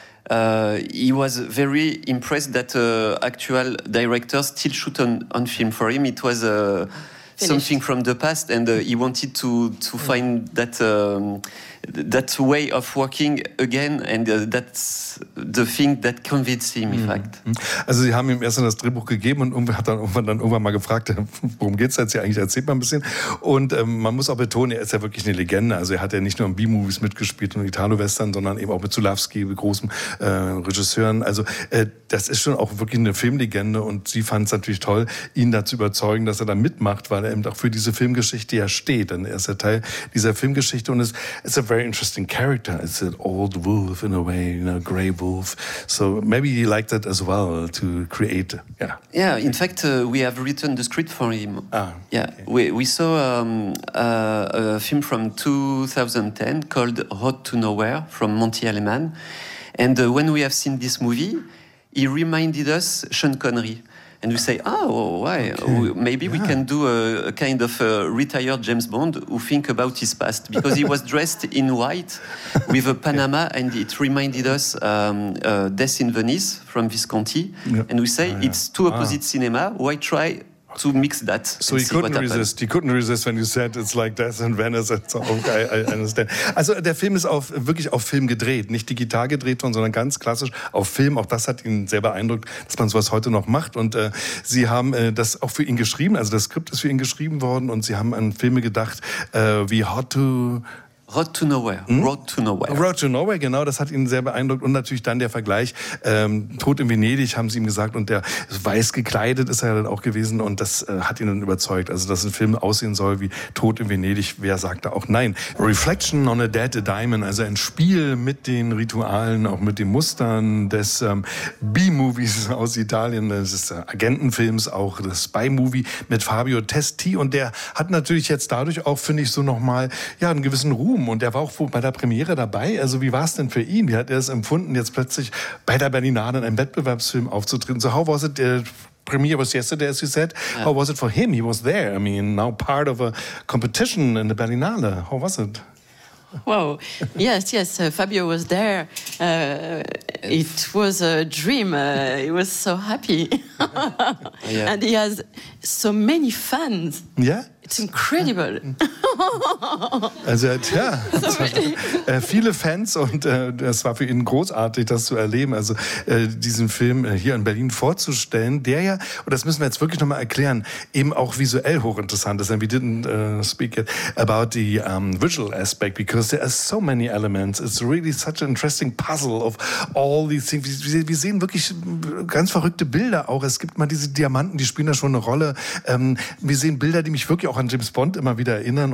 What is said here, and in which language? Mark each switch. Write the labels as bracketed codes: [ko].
[en] He was very impressed that actual director still shoot on film for him. It was something from the past, and he wanted to find that way of working again, and that's the thing that convinced him, in fact. [de] Also sie haben ihm erst das Drehbuch gegeben und hat dann irgendwann mal gefragt, worum geht's jetzt hier eigentlich, erzählt mal ein bisschen. Und man muss auch betonen, er ist ja wirklich eine Legende. Also er hat ja nicht nur in B-Movies mitgespielt und Italo-Western, sondern eben auch mit Zulawski, mit großen Regisseuren. Also das ist schon auch wirklich eine Filmlegende und sie fand es natürlich toll, ihn dazu überzeugen, dass er da mitmacht, weil er eben auch für diese Filmgeschichte ja steht. Denn er ist ja Teil dieser Filmgeschichte und es ist [en] very interesting character. It's an old wolf in a way, you know, gray wolf. So maybe he liked that as well to create. Yeah. Yeah. In fact, we have written the script for him. Ah. Yeah. Okay. We saw a film from 2010 called Road to Nowhere from Monty Hellman, and when we have seen this movie, he reminded us Sean Connery. And we say, oh, why? Okay. We can do a kind of a retired James Bond who think about his past. Because he was dressed in white with a Panama, and it reminded us Death in Venice from Visconti. Yep. And we say, it's two opposite cinema. Why try to mix that? So he couldn't resist. He couldn't resist when you said it's like Death in Venice. It's okay, I understand. [de] Also der Film ist wirklich auf Film gedreht, nicht digital gedreht worden, sondern ganz klassisch auf Film. Auch das hat ihn sehr beeindruckt, dass man sowas heute noch macht. Und sie haben das auch für ihn geschrieben. Also das Skript ist für ihn geschrieben worden und sie haben an Filme gedacht, wie Hot to [en] Road to Nowhere. Road to Nowhere. [de] Road to Nowhere, genau, das hat ihn sehr beeindruckt. Und natürlich dann der Vergleich, Tod in Venedig, haben sie ihm gesagt. Und der weiß gekleidet ist er dann auch gewesen. Und das hat ihn dann überzeugt. Also, dass ein Film aussehen soll wie Tod in Venedig, wer sagt da auch nein? Reflection on a Dead Diamond, also ein Spiel mit den Ritualen, auch mit den Mustern des B-Movies aus Italien, des Agentenfilms, auch das Spy-Movie mit Fabio Testi. Und der hat natürlich jetzt dadurch auch, finde ich, so nochmal ja, einen gewissen Ruf. Und er war auch bei der Premiere dabei. Also wie war es denn für ihn? Wie hat er es empfunden, jetzt plötzlich bei der Berlinale in einem Wettbewerbsfilm aufzutreten? [en] So how was it? The premiere was yesterday, as you said. How was it for him? He was there. I mean, now part of a competition in the Berlinale. How was it? Wow. Yes, yes. Fabio was there. It was a dream. He was so happy. Yeah. And he has so many fans. Yeah. It's incredible. [de] Also er hat, ja, viele Fans und es war für ihn großartig, das zu erleben, also diesen Film hier in Berlin vorzustellen, der ja, und das müssen wir jetzt wirklich nochmal erklären, eben auch visuell hochinteressant ist. [en] And we didn't speak yet about the visual aspect, because there are so many elements. It's really such an interesting puzzle of all these things. [de] Wir sehen wirklich ganz verrückte Bilder auch. Es gibt mal diese Diamanten, die spielen da schon eine Rolle. Wir sehen Bilder, die mich wirklich auch an James Bond immer wieder erinnern.